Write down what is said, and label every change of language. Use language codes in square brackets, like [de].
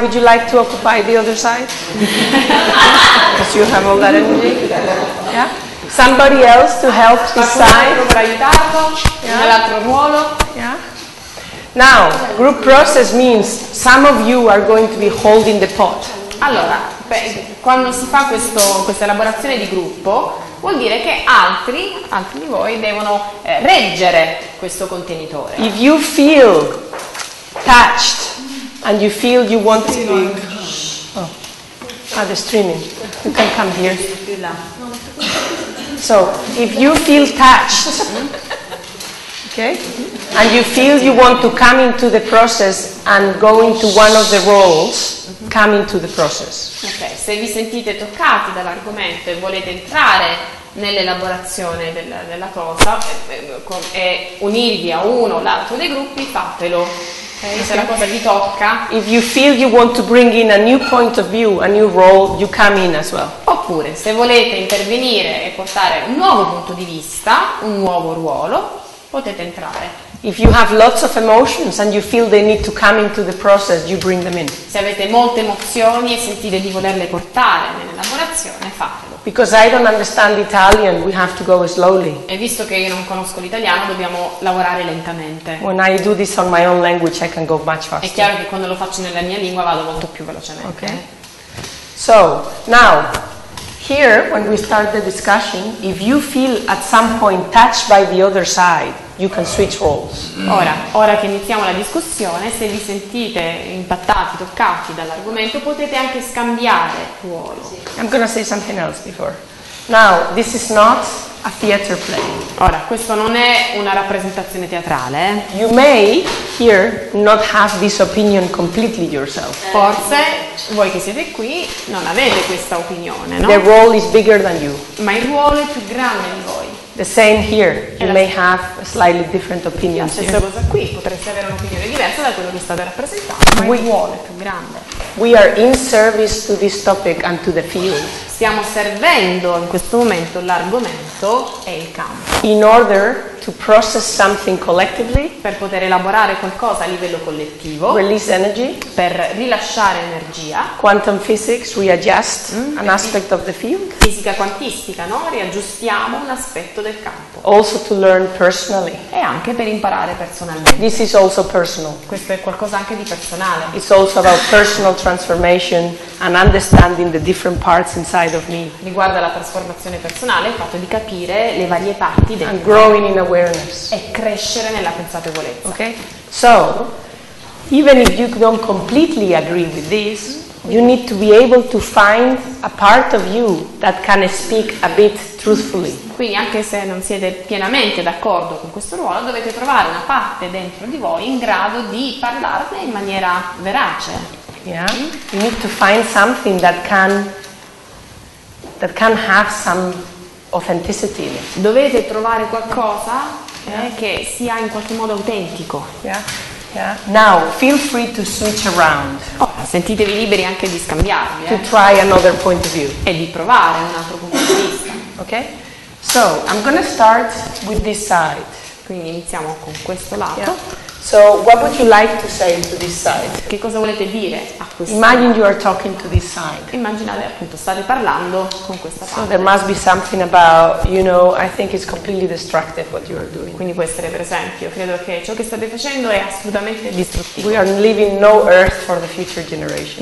[en] Would you like to occupy the other side? Because you have all that energy. Yeah. Somebody else to help decide. [it] Per aiutarlo, yeah. Nell'altro ruolo. [en] Yeah. Now, group process means some of you are going to be holding the pot. [it] Allora, quando si fa questa elaborazione di gruppo, vuol dire che altri di voi devono reggere questo contenitore. [en] If you feel touched and you feel you want to be... the streaming. You can come here. So, if you feel touched, okay, and you feel you want to come into the process and go into one of the roles, come into the process. [it] Okay, se vi sentite toccati dall'argomento e volete entrare nell'elaborazione della cosa e unirvi a uno o l'altro dei gruppi, fatelo. Okay, se la cosa vi tocca. [en] If you feel you want to bring in a new point of view, a new role, you come in as well. [it] Oppure, se volete intervenire e portare un nuovo punto di vista, un nuovo ruolo, potete entrare. [en] If you have lots of emotions and you feel they need to come into the process, you bring them in. [it] Se avete molte emozioni e sentite di volerle portare nell'elaborazione, fatelo. [en] Because I don't understand Italian, we have to go slowly. [it] E visto che io non conosco l'italiano, dobbiamo lavorare lentamente. [en] When I do this on my own language, I can go much faster. [it] È chiaro che quando lo faccio nella mia lingua vado molto più velocemente. [en] Okay. So, now here when we start the discussion, if you feel at some point touched by the other side, you can switch roles. [it] Ora che iniziamo la discussione, se vi sentite impattati, toccati dall'argomento, potete anche scambiare ruolo. [en] I'm going to say something else before. Now, this is not a theater play. [it] Ora, questo non è una rappresentazione teatrale. [en] You may here not have this opinion completely yourself. [it] Forse voi che siete qui non avete questa opinione, no? [en] The role is bigger than you. [it] Ma il ruolo è più grande di voi. [en] The same here. You may have a slightly different opinion. [it] La stessa cosa qui, potreste avere un'opinione diversa da quello che state rappresentando. Ma il ruolo è più grande. [en] We are in service to this topic and to the field. [it] Stiamo servendo in questo momento l'argomento e il campo. [en] In order to process something collectively, [it] per poter elaborare qualcosa a livello collettivo, [en] release energy, [it] per rilasciare energia, [en] quantum physics, readjust an aspect of the field, [it] fisica quantistica, no? Riaggiustiamo un aspetto del campo. [en] Also to learn personally. [it] E anche per imparare personalmente. [en] This is also personal. [it] Questo è qualcosa anche di personale. [en] It's also about personal transformation and understanding the different parts inside of me. [it] Riguarda la trasformazione personale, il fatto di capire le varie parti del [en] and growing in awareness. [it] E crescere nella consapevolezza. [en] Okay? So, even if you don't completely agree with this, you need to be able to find a part of you that can speak a bit truthfully. [it] Quindi anche se non siete pienamente d'accordo con questo ruolo, dovete trovare una parte dentro di voi in grado di parlarne in maniera verace. [en] Yeah. You need to find something that can have some authenticity. [it] Dovete trovare qualcosa che sia in qualche modo autentico. [en] Yeah. Yeah. Now, feel free to switch around. [it] Sentitevi liberi anche di scambiarvi. [en] To try another point of view. [it] E di provare un altro punto di vista. [en] Okay. So, I'm going to start with this side. [it] Quindi iniziamo con questo lato. [en] Yeah. So, what would you like to say to this side? [it] Che cosa volete dire a questo? [en] Imagine you are talking to this side. [it] Immaginate appunto state parlando con questa parte. [en] So there must be something about, you know, I think it's completely destructive what you are doing. [it] Quindi può essere, per esempio, credo che ciò che state facendo è assolutamente distruttivo. [en] We are leaving no earth for the future generation.